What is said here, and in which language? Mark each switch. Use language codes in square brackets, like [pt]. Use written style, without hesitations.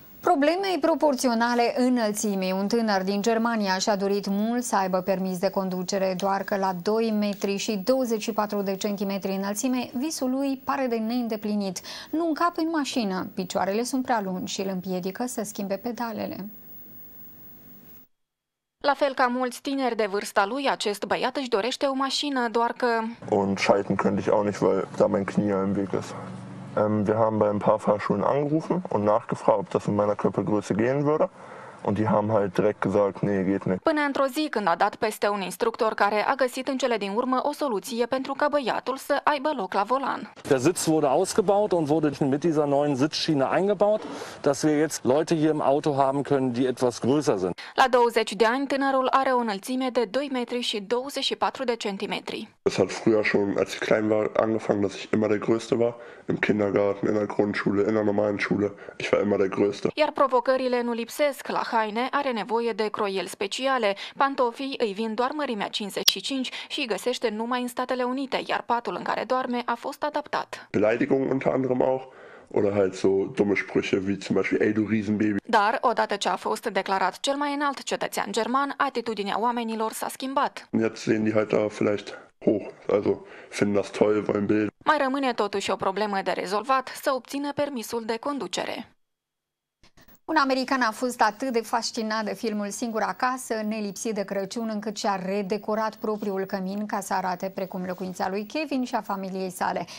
[ro] Problemei proporționale înălțimii. Un tânăr din Germania și-a dorit mult să aibă permis de conducere, doar că la 2 metri și 24 de centimetri înălțime, visul lui pare de neîndeplinit. Nu încap în mașină, picioarele sunt prea lungi și îl împiedică să schimbe pedalele. La fel ca mulți tineri de vârsta lui, acest băiat își dorește o mașină, doar că... [de] Und schalten könnte ich auch nicht, weil da mein Knie im Weg ist. Wir haben bei ein paar Fahrschulen angerufen und nachgefragt, ob das in meiner Körpergröße gehen würde. Und die haben halt direkt gesagt, nee, geht nicht. [ro] Până într-o zi când a dat peste un instructor care a găsit în cele din urmă o soluție pentru ca băiatul să aibă loc la volan. [de] Der Sitz wurde ausgebaut und wurde mit dieser neuen Sitzschiene eingebaut, dass wir jetzt Leute hier im Auto haben können, die etwas größer sind. [ro] La 20 de ani, tânărul are o înălțime de 2 metri și 24 de centimetri. [de] Es hat früher schon, als ich klein war, angefangen, dass ich immer der Größte war. Im Kindergarten, in der Grundschule, in der normalen Schule. Ich war immer der Größte. [ro] Iar provocările nu lipsesc. La haine are nevoie de croieli speciale. Pantofii îi vin doar mărimea 55 și îi găsește numai în Statele Unite, iar patul în care doarme a fost adaptat. [de] Beleidigung unter anderem auch. Oder halt so dumme Sprüche wie zum Beispiel, ey du Riesenbaby. [ro] Dar, odată ce a fost declarat cel mai înalt cetățean german, atitudinea oamenilor s-a schimbat. [de] Jetzt sehen die halt da vielleicht hoch, also finden das toll, wollen Bild. [ro] Mai rămâne totuși o problemă de rezolvat, să obțină permisul de conducere. Un american a fost atât de fascinat de filmul Singur acasă, nelipsit de Crăciun, încât și-a redecorat propriul cămin ca să arate precum locuința lui Kevin și a familiei sale.